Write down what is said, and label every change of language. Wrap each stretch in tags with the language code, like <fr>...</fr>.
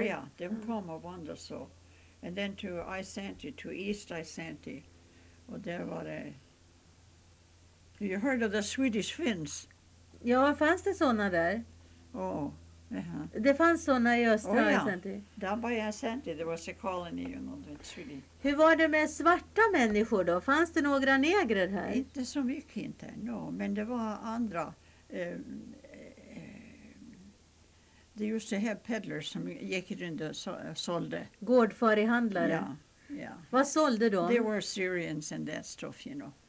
<sv>Oh ja, de kom och vandrade så.</sv> <en>And then to Isanti, to East Isanti.</en> <sv>Och där var det...</sv> <en>You heard of the Swedish Finns?</en> <sv>Ja, fanns det såna där?</sv> <en>Oh, uh-huh.</en> <sv>Det fanns såna i östra Isanti.</sv> <en>Down by Isanti, there was a colony, you know, the Swedish.</en> <sv>Hur var det med svarta människor då? Fanns det några negrer här? Inte så mycket, inte.</sv> <en>No,</en> <sv>men det var andra. Det är just det här peddlers som gick runt och sålde. Gårdfarihandlare? Ja, ja. Vad sålde de?</sv> <en>They were Syrians and that stuff, you know.</en>